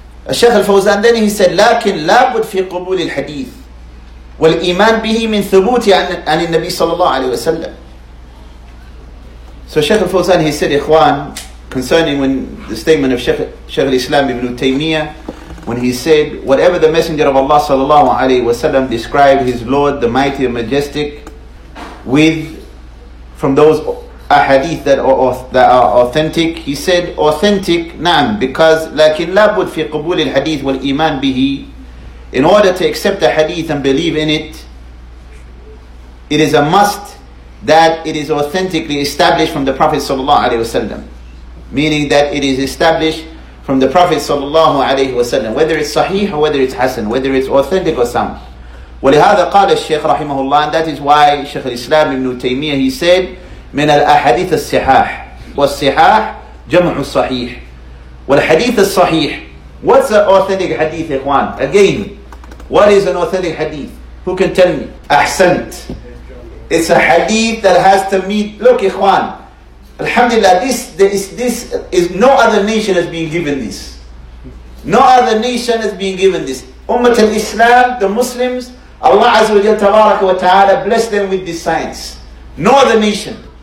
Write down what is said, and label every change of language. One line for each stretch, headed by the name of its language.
Arabic: الشيخ الفوزان
English: then he said
Arabic: لكن لابد في قبول الحديث والإيمان به من ثبوت عن النبي صلى الله عليه وسلم.
English: So Sheikh al-Fawzan, he said, Ikhwan, concerning when the statement of Sheikh al-Islam ibn Taymiyyah, when he said, whatever the Messenger of Allah sallallahu alayhi wa sallam described his Lord, the Mighty and Majestic, with, from those ahadith that are authentic, he said, authentic, na'am, because,
Arabic: لكن لابد في قبول الحديث والإيمان به,
English: in order to accept the hadith and believe in it, it is a must that it is authentically established from the Prophet sallallahu alaihi wasallam, meaning that it is established from the Prophet sallallahu alaihi wasallam, whether it's sahih or whether it's hasan, whether it's authentic or some.
Arabic: ولهذا قال الشيخ رحمه الله,
English: and that is why Sheikh al-Islam ibn Taymiyyah, he said
Arabic: من الأحاديث الصحاح والصحاح جمع الصحيح والحديث الصحيح.
English: What's an authentic hadith, Ikhwan? Again, what is an authentic hadith? Who can tell me? Ahsant. It's a hadith that has to meet. Look, Ikhwan. Alhamdulillah, this is no other nation has been given this. No other nation has been given this. Ummat al-Islam, the Muslims, Allah Azza wa Jalla Tabaraka wa Ta'ala bless them with this science. No other nation.